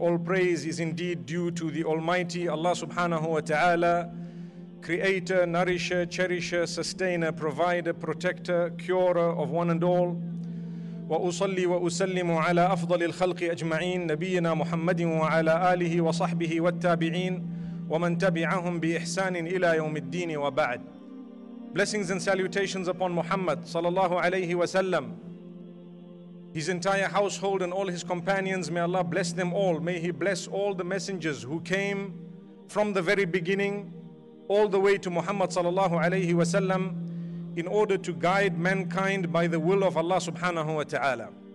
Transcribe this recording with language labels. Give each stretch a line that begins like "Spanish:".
English: All praise is indeed due to the Almighty Allah subhanahu wa ta'ala, creator, nourisher, cherisher, sustainer, provider, protector, curer of one and all.
Arabic: وأصلي وأسلم على أفضل الخلق أجمعين نبينا محمد وعلى آله وصحبه والتابعين ومن تبعهم بإحسان إلى يوم الدين وبعد.
English: Blessings and salutations upon Muhammad sallallahu alayhi wasallam, his entire household and all his companions. May Allah bless them all. May He bless all the messengers who came from the very beginning all the way to Muhammad sallallahu alayhi wasallam, in order to guide mankind by the will of Allah subhanahu wa ta'ala.